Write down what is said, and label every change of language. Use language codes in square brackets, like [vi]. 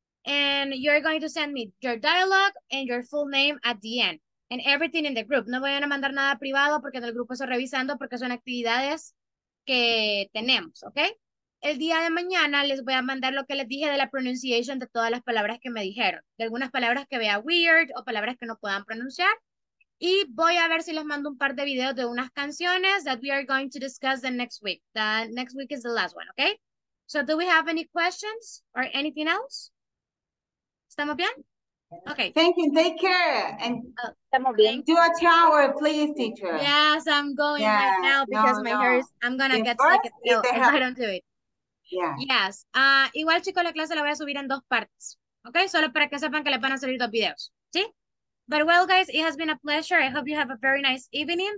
[en] And you're going to send me your dialogue and your full name at the end. And everything in the group. [es] No voy a mandar nada privado porque en el grupo estoy revisando porque son actividades que tenemos, ok. El día de mañana les voy a mandar lo que les dije de la pronunciation de todas las palabras que me dijeron. De algunas palabras que vea weird o palabras que no puedan pronunciar. Y voy a ver si les mando un par de videos de unas canciones [en] that we are going to discuss the next week. The next week is the last one, okay? So do we have any questions or anything else? [es] ¿Estamos bien? [en] Okay. Thank you. Take care. And [es] estamos bien. [en] Do a shower, please, teacher. Yes, I'm going right now because my hair is, I'm going to get sick if I don't do it. Yeah. Yes. [es] Igual, chicos, la clase la voy a subir en dos partes. Okay? Solo para que sepan que les van a salir dos videos. ¿Sí? [en] But well, guys, it has been a pleasure. I hope you have a very nice evening.